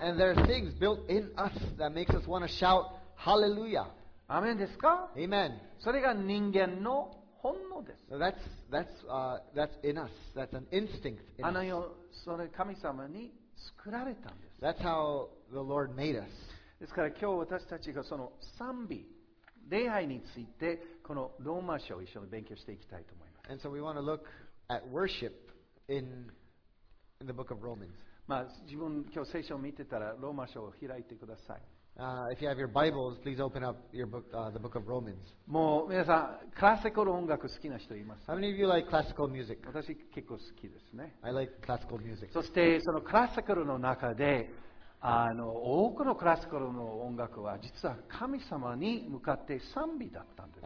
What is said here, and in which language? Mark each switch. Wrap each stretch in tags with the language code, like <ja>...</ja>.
<en>And there are things built in us that makes us want to shout hallelujah.</en> <ja>アメンですか？</ja> <en>Amen.</en> <ja>それが人間の本能です。</ja> <en>So、that's in us. That's an instinct in us.</en> <ja>あのよそれ神様に作られたんです。</ja> <en>That's how the Lord made us.</en> <ja>ですから今日私たちがその賛美、礼拝についてこのローマ書を一緒に勉強していきたいと思います。</ja> <en>And so we want to look at worship in the book of Romans.</en> <ja>まあ自分今日聖書を見てたらローマ書を開いてください。</ja> <en>If you have your Bibles, please open up your book, the book of Romans.</en> <ja>もう皆さんクラシカル音楽好きな人います。</ja> <en>How many of you like classical music?</en> <ja>私結構好きですね。</ja> <en>I like classical music.</en> <ja>そしてそのクラシカルの中で、あの多くのクラシカルの音楽は実は神様に向かって賛美だったんです。</ja>